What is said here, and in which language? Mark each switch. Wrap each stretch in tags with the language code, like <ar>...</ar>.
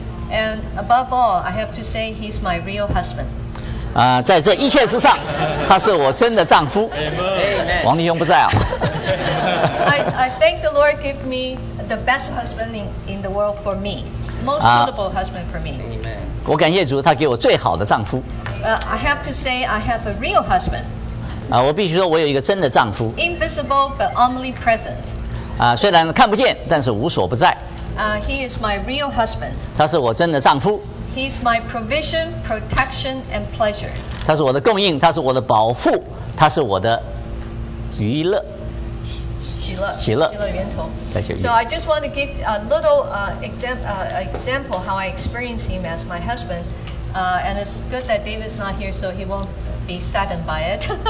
<en>And above all, I have to say he's my real husband.</en> <zh>在这一切之上他是我真的丈夫。王立兄不在啊。</zh> <en>I thank the Lord give me the best husband in the world for me. Most suitable husband for me. Amen.</en> <zh>我感谢主他给我最好的丈夫。</zh> <en>I have to say I have a real husband.</en> <zh>我必须说我有一个真的丈夫。</zh> <en>Invisible but omnipresent.</en> <zh>虽然看不见，但是无所不在。</zh> <en>He is my real husband.</en> <zh>他是我真的丈夫。</zh> <en>He's my provision, protection, and pleasure.</en> <zh>他是我的供应，他是我的保护，他是我的娱乐。喜乐源头。</zh> <en>So I just want to give a little example how I experience him as my husband. And it's good that David's not here, so he won't be saddened by it.</en>